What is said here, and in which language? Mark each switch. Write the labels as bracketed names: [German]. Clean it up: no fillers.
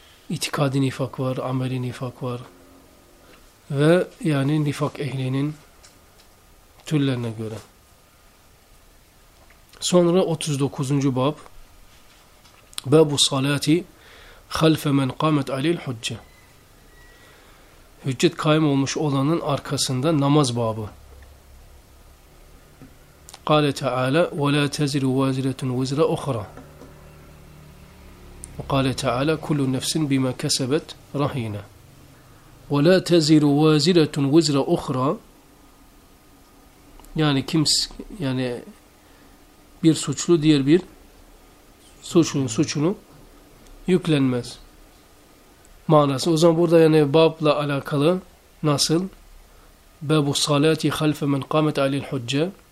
[Turkish] İtikadi nifak var, ameli nifak var. Ve yani nifak ehlinin türlerine göre. Sonra 39. bab. [Arabic] Bab-u salati halfe men kâmet aleyh hucce. [Turkish] Hüccet kaim olmuş olanın arkasında namaz babı. Kâle Teâlâ [Arabic] وَلَا تَزِرُ وَازِرَةٌ وِزْرَ اُخْرَى وَقَالَ تَعَالَى كُلُّ نَفْسٍ بِمَا كَسَبَتْ رَهِينَ وَلَا تَزِرُ وَازِرَةٌ وِزْرَ اُخْرَى. [Turkish] Yani kimse, yani bir suçlu diğer bir suçunu yüklenmez manası. O zaman burada yani babla alakalı nasıl? [Arabic] بَبُ صَلَاتِ خَلْفَ مَنْ قَامَتْ عَلِي الْحُجَّةِ.